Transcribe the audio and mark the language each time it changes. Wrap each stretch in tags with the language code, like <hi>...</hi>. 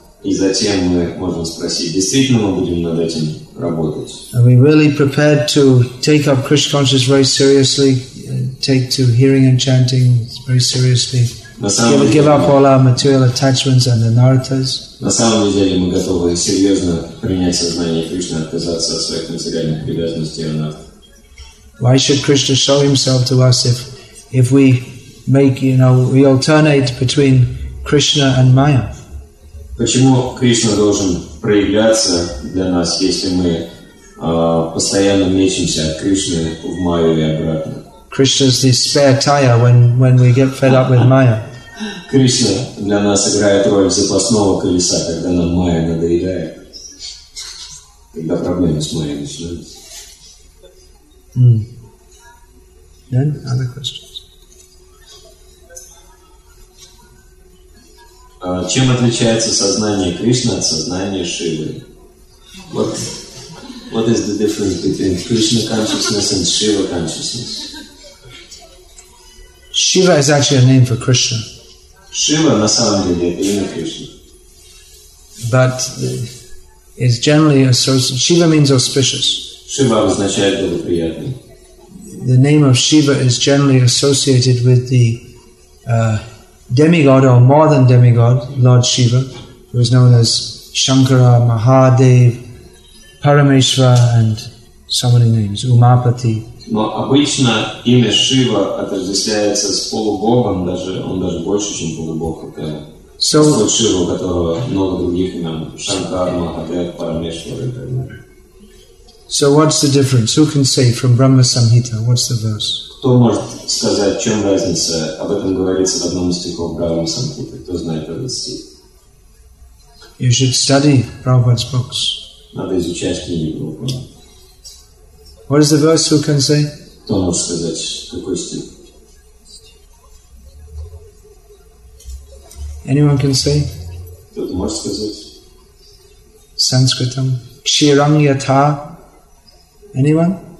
<ru>И затем мы можем спросить, действительно мы будем над этим работать?</ru> <en>Are we really prepared to take up Krishna consciousness very seriously, take to hearing and chanting very seriously, give up all our material attachments and anartas?</en> <ru>На самом деле мы готовы серьезно принять сознание Кришны, отказаться от своих материальных привязанностей и анарт?</ru> <en>Why should Krishna show himself to us if we make, you know, we alternate between Krishna and Maya.</en> <ru>Почему Кришна должен проявляться для нас, если мы постоянно мечемся от Кришны в Майю и обратно?</ru> <en>Krishna's the spare tire when we get fed up with Maya.</en> <ru>Кришна для нас играет роль запасного колеса, когда нам Майя надоедает. Когда проблемы с Майей начинаются.</ru> <en>Then other questions.</en> <ru>Чем отличается сознание Кришны от сознания Шивы?</ru> <en>What is the difference between Krishna consciousness and Shiva consciousness? Shiva is actually a name for Krishna.</en> <ru>Shiva на самом деле это имя Кришны.</ru> <en>But is generally associated. Shiva means auspicious.</en> <ru>Шива означает благоприятный.</ru> <en>The name of Shiva is generally associated with the demigod or more than demigod, Lord Shiva, who is known as Shankara, Mahadev, Parameshwar, and so many names, Umapati.</en> <ru>Но обычно имя Шива отождествляется с полубогом, даже он даже больше, чем полубог, это Лорд Шива, у которого много других имен, Шанкар, Махадев, Парамешвар и так далее.</ru> <en>So what's the difference? Who can say from Brahma Samhita? What's the verse?</en> <ru>Кто может сказать, в чем разница? Об этом говорится в одном из стихов Брахма Самхиты. Кто знает этот стих?</ru> <en>You should study Prabhupada's books.</en> <ru>Надо изучать книги Прабхупады.</ru> <en>What is the verse? Who can say?</en> <ru>Кто может сказать, какой стих?</ru> <en>Anyone can say?</en> <ru>Кто может сказать? Санскритом.</ru> <sa>Кширам ята.</sa> <en>Anyone?</en>